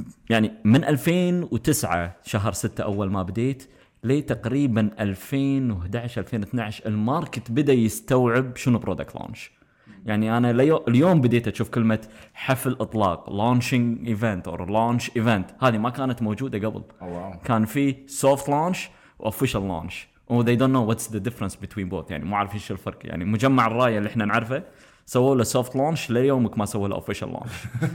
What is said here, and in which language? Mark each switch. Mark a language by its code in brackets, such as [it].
[ar] يعني من 2009 شهر 6 اول ما بديت لي تقريبا 2011-2012 الماركت بدأ يستوعب شنو برودكت لانش. يعني انا اليوم بديت اشوف كلمة حفل اطلاق [en] launching event or launch event [ar] هذه ما كانت موجودة قبل. كان في [en] soft launch official launch and they don't know what's the difference between both. [ar] يعني مو عارف ايش الفرق. يعني مجمع الراية اللي احنا نعرفه سووا له soft launch ليومك ما سووا له official launch.